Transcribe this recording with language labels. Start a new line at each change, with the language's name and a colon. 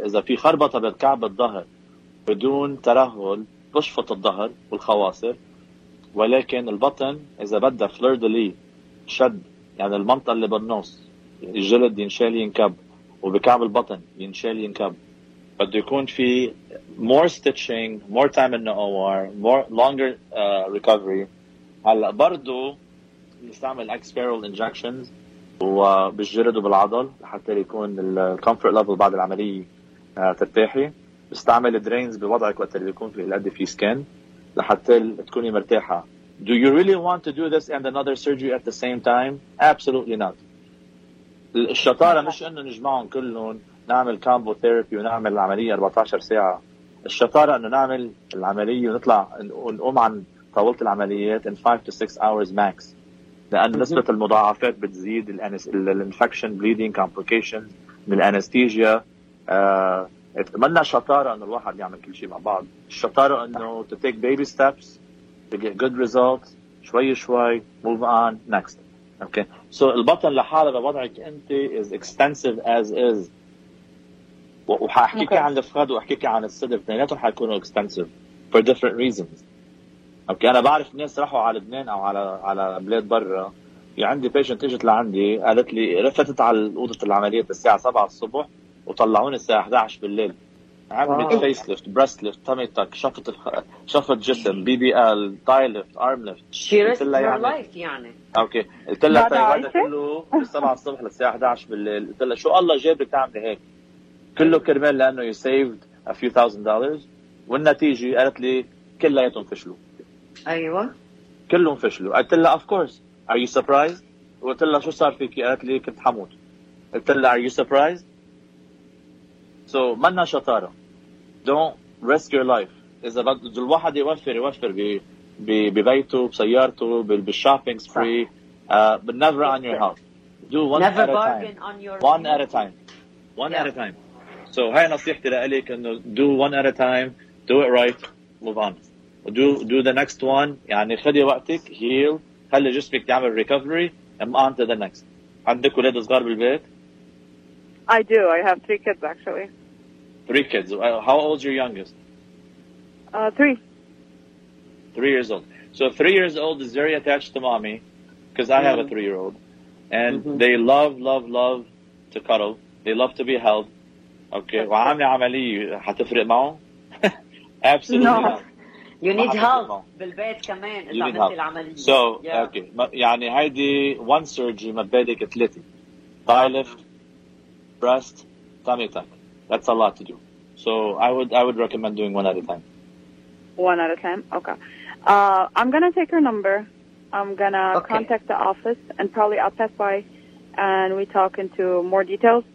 Arabic: إذا في خربطة بكعب الظهر بدون ترهل بشفط الظهر والخواصر، ولكن البطن إذا بدأ فلور دي لي شد، يعني المنطقة اللي بالنص الجلد ينشال ينكب وبكعب البطن ينشال ينكب، بده يكون في
English: more stitching, more time in the OR, more longer recovery.
Arabic: هلا برضو بنستعمل اكسبيرال انجكشنز وبالجرد وبالعضل حتى يكون الكمفورت ليفل بعد العمليه ترتاحي. بستعمل درينز بوضعك وقت اللي يكون في الادي في سكان لحتى تكوني مرتاحه.
English: Do you really want to do this and another surgery at the same time? Absolutely not.
Arabic: الشطاره مش انه نجمعهم كلهم نعمل كامبو ثيرابي ونعمل العمليه 14 ساعه. الشطاره انه نعمل العمليه ونطلع نقوم عن طاولة العمليات
English: in 5 to 6 hours max.
Arabic: لأن نسبة المضاعفات بتزيد, الانفكشن بليدينج كومبليكيشنز من الانستيزيا. اتمنى شطارة ان الواحد يعمل كل شيء مع بعض. الشطارة انه
English: to take baby steps to get good results,
Arabic: شوي شوي
English: move on next. Okay. So
Arabic: البطن لحالة بوضعك انت
English: is extensive as is.
Arabic: وحاحكيكي عن الفخذ وحاحكيكي عن الصدر, اثنيناتهم حيكونوا
English: extensive for different reasons.
Arabic: اوكي. انا بعرف ناس راحوا على لبنان او على بلاد برا. في عندي بيشنت اجت لعندي قالت لي رفتت على اوضه العمليه الساعه 7 الصبح وطلعوني الساعه 11 بالليل. عملت فيس ليفت, بريست ليفت, تامي تاك, شفت جسم, بي بي ال, تاي ليفت, ارم ليفت. قلت لها يعني اوكي, قلت لها طيب هذا كله من 7 الصبح للساعه 11 بالليل. قلت لها شو الله جابك تعملي هيك؟ كله كرمال لانه
English: You saved a few thousand dollars.
Arabic: والنتيجه قالت لي كلياتهم فشلوا. أيوة كلهم فشلوا. قلت لها
English: of course are you surprised؟
Arabic: قلت لها شو صار فيكي؟ قالت لي كنت حموت. قلت لها
English: are you surprised؟ so
Arabic: منا شطارة,
English: don't risk your life.
Arabic: إذا بده الواحد يوفر ببيته بسيارته بالشوبينج فري,
English: but never on your health. Do one never at a time. One at a time. So
Arabic: هاي نصيحتي لك إنه
English: do one at a time, do it right, move on. Do the next one.
Arabic: يعني خدي وقتك,
English: heal,
Arabic: خلي جسمك يعمل
English: recovery and on to the next.
Arabic: عندك ولاد صغار بالبيت؟
English: I do. I have 3 kids actually. 3 kids. How old is your youngest? 3 years old. So 3 years old is very attached to mommy because I have a 3-year-old. And they love to cuddle. They love to be held. Okay.
Arabic: وعاملي عملية حتفرق معهم؟
English: Absolutely not. You need help
Arabic: بالبيت كمان إذا عملت العملية.
English: So, yeah. Okay.
Arabic: يعني هيدي one surgery مبادئك ثلاثة.
English: Thigh lift, breast, tummy tuck. That's a lot to do. So I would recommend doing one at a time. One at a time? Okay. I'm going to take her number. I'm going to contact the office and probably I'll pass by and we talk into more details.